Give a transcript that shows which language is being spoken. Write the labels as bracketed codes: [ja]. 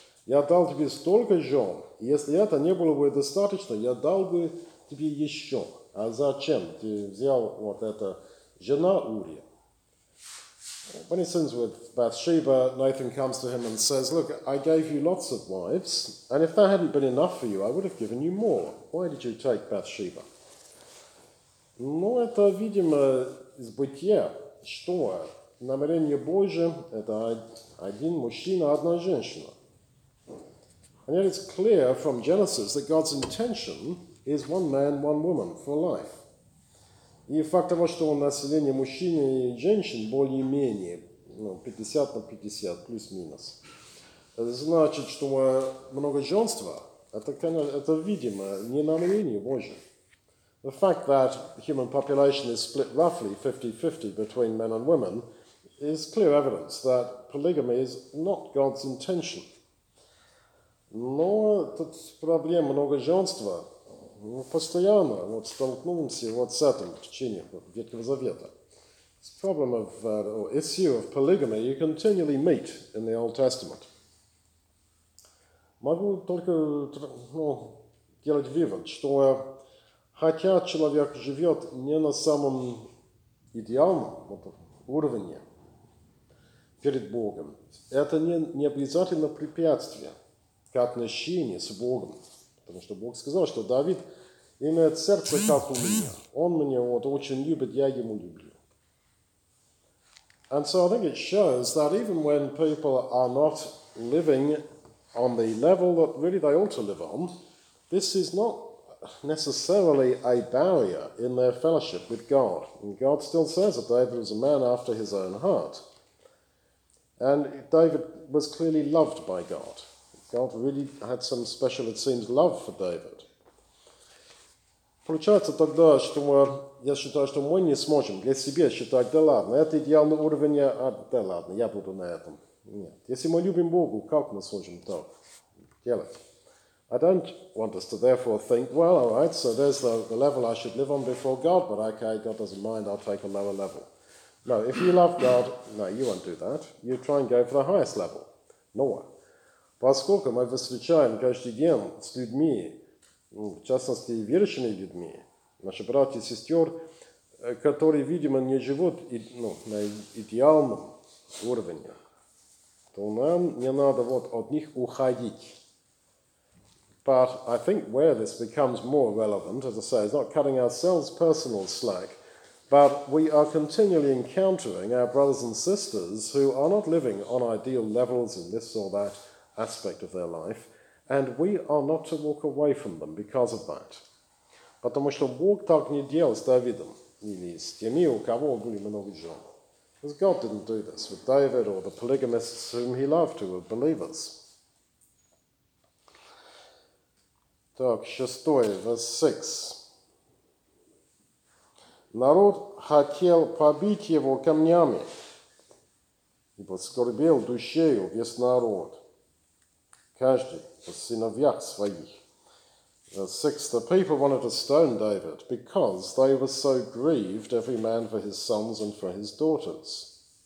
[ru] Я дал тебе столько жен, и если это не было бы достаточно, я дал бы тебе еще. А зачем ты взял вот это жена Ури? [en] When he sins with Bathsheba, Nathan comes to him and says, look, I gave you lots of wives, and if that hadn't been enough for you, I would have given you more. Why did you take Bathsheba? [ru] Но это, видимо, из бытия, что намерение Божие – это один мужчина, одна женщина. [en] And yet it's clear from Genesis that God's intention is one man, one woman for life. [ru] И факт того, что население мужчин и женщин более-менее, ну, 50 на 50, плюс-минус, значит, что многоженство – это, видимо, не намерение Божие. [en] The fact that human population is split roughly 50-50 between men and women is clear evidence that polygamy is not God's intention. [ru] Но это проблема многоженства. Постоянно вот столкнулся вот с этим в течение Ветхого Завета. [en] It's a problem of, or issue of polygamy you continually meet in the Old Testament. [ru] Могу только делать вывод, что хотя человек живет не на самом идеальном уровне перед Богом, это не обязательно препятствие к отношению с Богом. Потому что Бог сказал, что Давид имеет сердце, как у меня. Он меня вот очень любит, я ему люблю. [en] And so I think it shows that even when people are not living on the level that really they ought to live on, this is not necessarily a barrier in their fellowship with God. And God still says that David was a man after his own heart. And David was clearly loved by God. God really had some special, it seems, love for David. [ru] Получается тогда, что я считаю, что мы не сможем для себя считать, да ладно, это идеальное уровень, а да ладно, я буду на этом. Нет. Если мы любим Бога, как мы сможем так делать? [en] I don't want us to therefore think, well, all right, so there's the level I should live on before God, but okay, God doesn't mind, I'll take a lower level. No, if you love God, no, you won't do that. You try and go for the highest level. Noah. [ru] Поскольку мы встречаем каждый день с людьми, в частности, верующими людьми, наши братья и сестер, которые, видимо, не живут на идеальном уровне, то нам не надо вот от них уходить. [en] But I think where this becomes more relevant, as I say, is not cutting ourselves personal slack, but we are continually encountering our brothers and sisters who are not living on ideal levels in this or that aspect of their life, and we are not to walk away from them because of that. [ru] Потому что Бог так не делал с Давидом или с теми, у кого были много жен. [en] Because God didn't do this with David or the polygamists whom he loved, who were believers. [ru] Так, 6, verse 6. Народ хотел побить его камнями, ибо скорбел душею весь народ. Каждый по сыновьях своих. [en] Six, the people wanted to stone David because they were so grieved, every man for his sons and for his daughters.